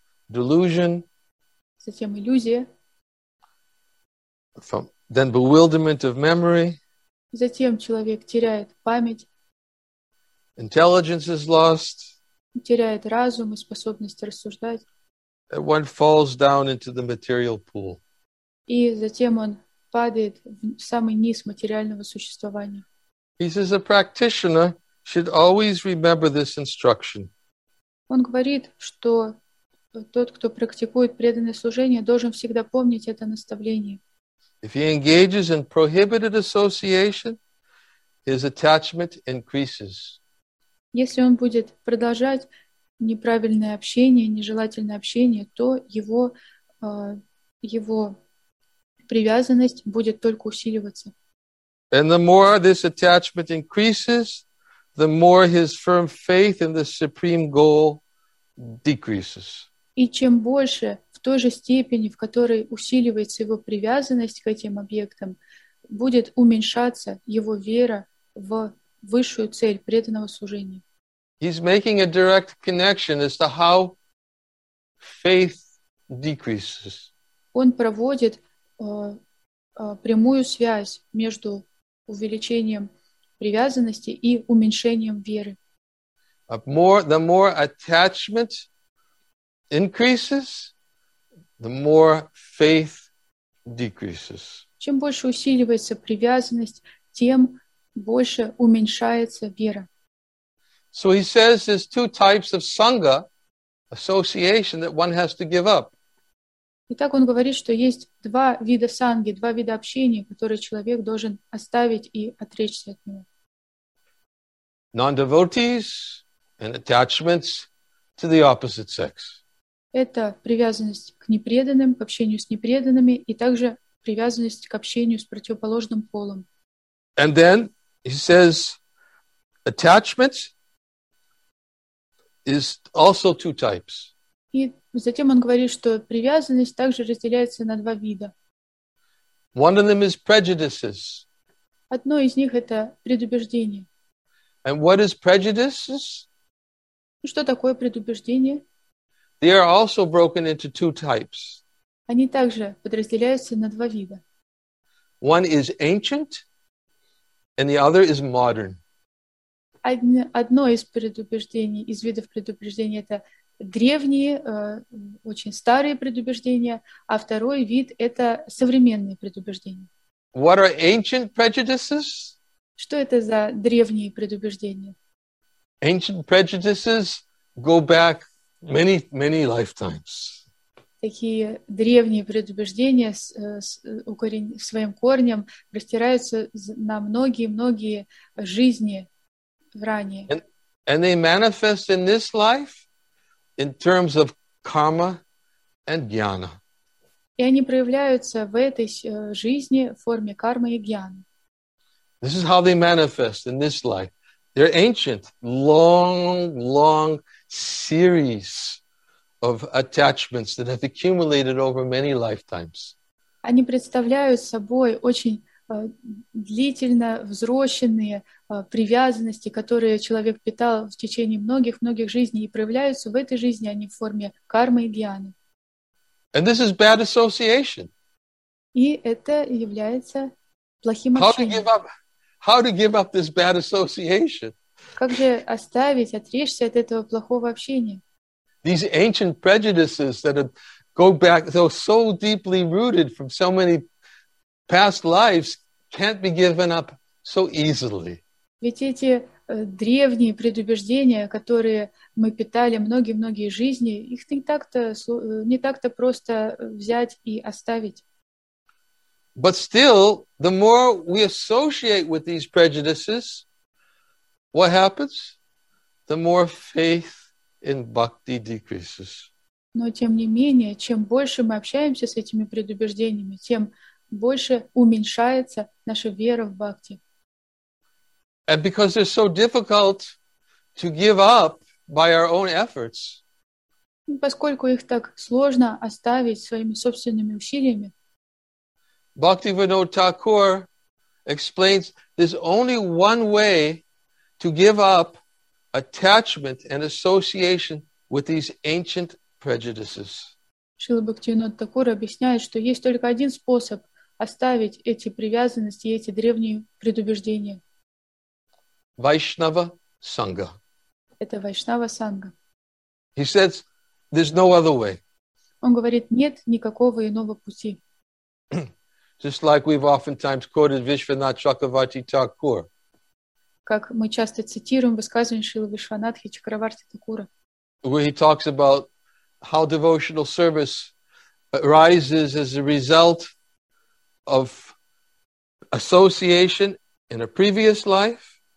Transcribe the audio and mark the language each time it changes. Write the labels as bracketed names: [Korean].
[English] Delusion. [Russian] Затем иллюзия. [English] From, then bewilderment of memory. [Russian] Затем человек теряет память. [English] Intelligence is lost. [Russian] Теряет разум и способность рассуждать. [English] And one falls down into the material pool. [Russian] И затем он падает в самый низ материального существования. [English] He says a practitioner should always remember this instruction. [Russian] Он говорит, что тот, кто практикует преданное служение, должен всегда помнить это наставление. [English] If he engages in prohibited association, his attachment increases. [Russian] Если он будет продолжать неправильное общение, нежелательное общение, то его привязанность будет только усиливаться. [English] And the more this attachment increases, the more his firm faith in the supreme goal decreases. [Russian] И чем больше, в той же степени, в которой усиливается его привязанность к этим объектам, будет уменьшаться его вера в высшую цель преданного служения. [English] He's making a direct connection as to how faith decreases. [Russian] Он проводит прямую связь между увеличением привязанности и уменьшением веры. [English] The more attachment increases, the more faith decreases. [Russian] Чем больше усиливается привязанность, тем больше уменьшается вера. [English] So he says there's two types of sangha, association that one has to give up. [Russian] Итак, он говорит, что есть два вида санги, два вида общения, которые человек должен оставить и отречься от него. [English] Non-devotees and attachments to the opposite sex. [Russian] Это привязанность к непреданным, к общению с непреданными, и также привязанность к общению с противоположным полом. [English] And then he says attachments is also two types. [Russian] И затем он говорит, что привязанность также разделяется на два вида. [English] One of them is prejudices. [Russian] Одно из них это предубеждение. [English] And what is prejudices? [Russian] Что такое предубеждение? [English] They are also broken into two types. [Russian] Они также подразделяются на два вида. [English] One is ancient, and the other is modern. [Russian] Одно из предубеждений, из видов предубеждений, это древние, очень старые предубеждения, а второй вид — это современные предубеждения. [English] What are ancient prejudices? [Russian] Что это за древние предубеждения? [English] Ancient prejudices go back many, many lifetimes. [Russian] Такие древние предубеждения своим корнем растираются на многие-многие жизни ранее. [English] And they manifest in this life in terms of karma and jnana. [Russian] И они проявляются в этой жизни в форме кармы и джняны. [English] This is how they manifest in this life. They're ancient, long, long series of attachments that have accumulated over many lifetimes. [Russian] Они представляют собой очень длительно взросшенные привязанности, которые человек питал в течение многих-многих жизней и проявляются в этой жизни, они в форме кармы и джняны. [English] And this is bad association. [Russian] И это является плохим общением. [English] How to give up this bad association? [Russian] Как же оставить, отречься от этого плохого общения? [English] These ancient prejudices that go back, though so deeply rooted from so many past lives, can't be given up so easily. [Russian] Ведь эти древние предубеждения, которые мы питали многие-многие жизни, их не так-то просто взять и оставить. [English] But still, the more we associate with these prejudices, what happens? The more faith in bhakti decreases. [Russian] Но тем не менее, чем больше мы общаемся с этими предубеждениями, тем больше уменьшается наша вера в бхакти. [English] And because they're so difficult to give up by our own efforts. [Russian] Поскольку их так сложно оставить своими собственными усилиями. [English] Bhaktivinoda Thakur explains there's only one way to give up attachment and association with these ancient prejudices. [Russian] Шрила Бхактивинода Такура объясняет, что есть только один способ оставить эти привязанности и эти древние предубеждения. [English] Vaishnava Sangha. [Russian] Это Вайшнава Санга. [English] He says, there's no other way. [Russian] Он говорит, нет никакого иного пути. [English] Just like we've oftentimes quoted Vishwanath Chakravarti Thakur. [Russian] Как мы часто цитируем высказывание Шрилы Вишванатхи Чакраварти Такура. [English] Where he talks about how devotional service arises as a result of association in a previous life.